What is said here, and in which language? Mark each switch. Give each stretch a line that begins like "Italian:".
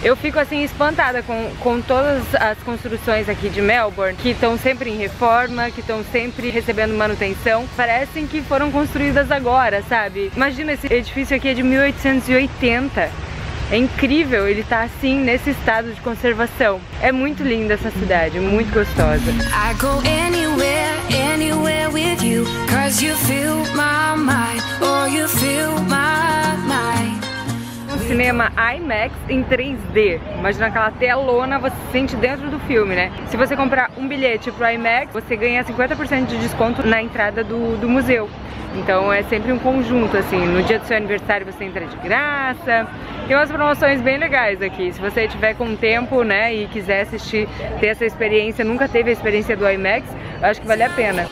Portuguese: Eu fico assim espantada com todas as construções aqui de Melbourne, que estão sempre em reforma, que estão sempre recebendo manutenção. Parecem que foram construídas agora, sabe? Imagina, esse edifício aqui é de 1880. É incrível, ele tá assim, nesse estado de conservação. É muito linda essa cidade, muito gostosa.
English: I go anywhere, anywhere with you, cause you fill my mind, or you fill my mind.
Portuguese: Cinema IMAX em 3D. Imagina aquela telona, você se sente dentro do filme, né? Se você comprar um bilhete pro IMAX, você ganha 50% de desconto na entrada do museu. Então é sempre um conjunto, assim, no dia do seu aniversário você entra de graça. Tem umas promoções bem legais aqui, se você tiver com tempo, né, e quiser assistir, ter essa experiência, nunca teve a experiência do IMAX, eu acho que vale a pena.